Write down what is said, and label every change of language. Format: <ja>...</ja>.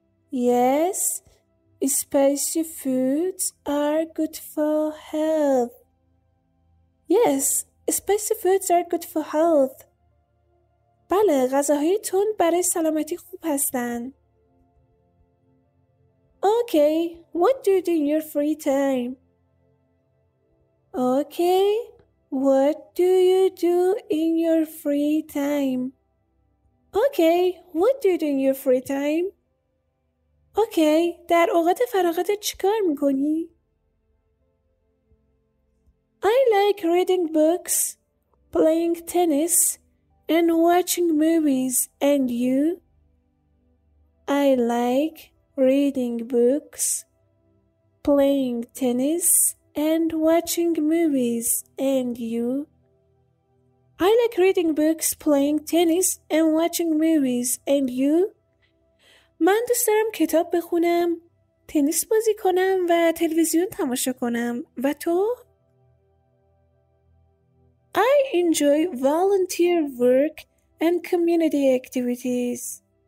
<en>Yes, spicy foods are good for health. Yes, spicy foods are good for health.</en> <fa>بله، غذاهای تند برای سلامتی خوب هستن.</fa> <en>Okay, what do you do in your free time? Okay, what do you do in your free time? Okay, what do you do in your free time? Okay,</en> <fa>در اوقات فراغتت چیکار می‌کنی؟</fa> <en>I like reading books, playing tennis, and watching movies. And you? I like reading books, playing tennis, and watching movies. And you? I like reading books, playing tennis, and watching movies. And you?</en> <fa>من دوست دارم کتاب بخونم، تنیس بازی کنم و تلویزیون تماشا کنم. و تو؟</fa> <en>I enjoy volunteer work and community activities.</en>